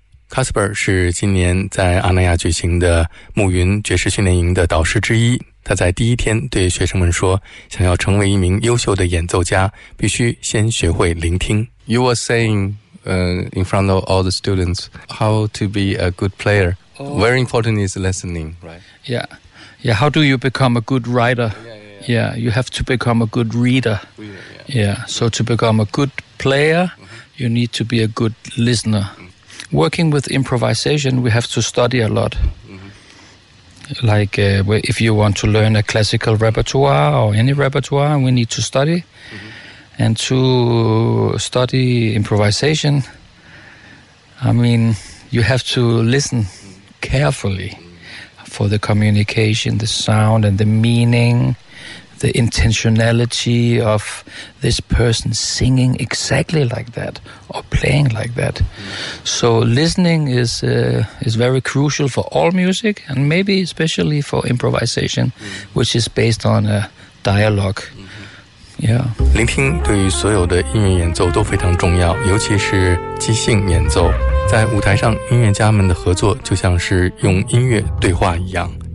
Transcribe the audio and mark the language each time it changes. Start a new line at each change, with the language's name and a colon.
Chinese: Casper 是今年在阿那亚举行的暮云爵士训练营的导师之一，他在第一天对学生们说，想要成为一名优秀的演奏家，必须先学会聆听。
English: You were saying in front of all the students how to be a good player. Very important is listening, right? Yeah. Yeah, how do you become a good writer? Yeah, you have to become a good reader. Yeah, so to become a good player, you need to be a good listener. Working with improvisation, we have to study a lot. Like if you want to learn a classical repertoire or any repertoire, we need to study. And to study improvisation, I mean, you have to listen carefully for the communication, the sound and the meaning, the intentionality of this person singing exactly like that or playing like that. So listening is very crucial for all music, and maybe especially for improvisation, which is based on a dialogue. Yeah.
Chinese: 聆听对于所有的音乐演奏都非常重要，尤其是即兴演奏。在舞台上，音乐家们的合作就像是用音乐对话一样。